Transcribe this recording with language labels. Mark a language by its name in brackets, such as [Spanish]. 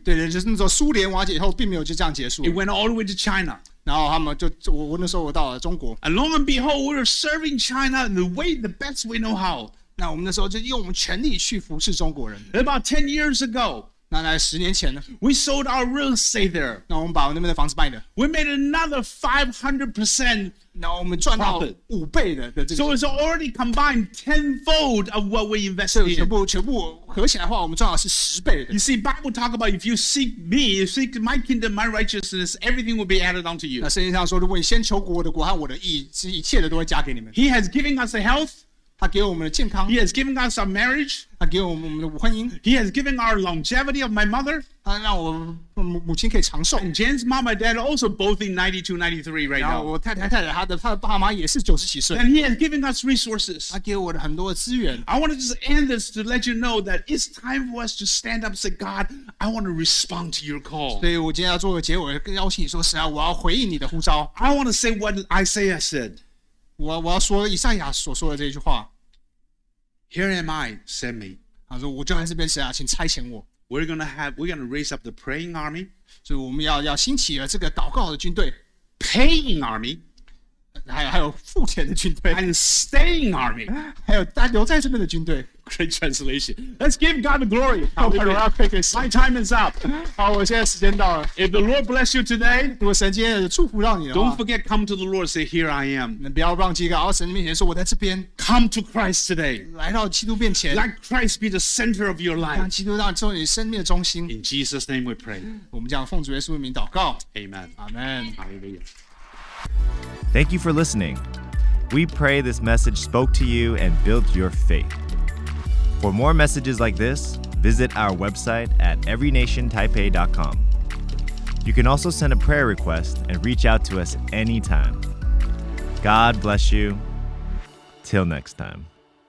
[Chinese] 对，就是那时候苏联瓦解以后，并没有就这样结束。 [English] It went all the way to China. [Chinese] 然后他们就我那时候我到了中国。 [English] And lo and behold, we were serving China in the best we know how. [Chinese] 那我们那时候就用我们全力去服侍中国人。 [English] About 10 years ago. [Chinese] 那来十年前呢 [English] ？We sold our real estate there. [Chinese] 那我们把我那边的房子卖了。 [English] We made another 500% [Chinese] 然后我们赚到五倍的这个。 [English] So it's already combined tenfold of what we invested in. [Chinese] 全部合起来的话，我们赚到是十倍的。 [English] You see, Bible talk about if you seek me, you seek my kingdom, my righteousness, everything will be added onto you. [Chinese] 那圣经上说，如果你先求我的国和我的义，是一切的都会加给你们。 [English] He has given us the health. [Chinese] 他给我们的健康。 [English] He has given us our marriage. [Chinese] 他给我们的婚姻。 [English] He has given our longevity of my mother. [Chinese] 他让我母亲可以长寿。 [English] And Jen's mom and dad are also both in 92, 93 right now. [Chinese] 我太太她的爸妈也是九十几岁。 [English] And he has given us resources. [Chinese] 他给我的很多的资源。 [English] I want to just end this to let you know that it's time for us to stand up and say, God, I want to respond to your call. [Chinese] 所以我今天要做个结尾，跟邀请你说，神啊，我要回应你的呼召。 [English] I want to say what Isaiah said. [Chinese] 我要说以赛亚所说的这句话。 [English] Here am I, send me. [Chinese] 他说我就在这边，神啊，请差遣我。 [English] We're gonna raise up the praying army. [Chinese] 所以我们要兴起了这个祷告的军队 [English] ，paying army， [Chinese] 还有付钱的军队 [English] ，and staying army， [Chinese] 还有留在这边的军队。 [English] Great translation. Let's give God the glory. My time is up. [Chinese] 好，我现在时间到了。 [English] If the Lord bless you today, [Chinese] 如果神今天祝福到你的话 [English] ，Don't forget, come to the Lord, say, "Here I am." [Chinese] 不要忘记，到神面前说，我在这边。 [English] Come to Christ today. [Chinese] 来到基督面前。 [English] Let Christ be the center of your life. [Chinese] 让基督当成你生命的中心。 [English] In Jesus' name, we pray. [Chinese] 我们将奉主耶稣的名祷告。 [English] Amen. Amen. Hallelujah. Thank you for listening. We pray this message spoke to you and built your faith. For more messages like this, visit our website at everynationtaipei.com. You can also send a prayer request and reach out to us anytime. God bless you. Till next time.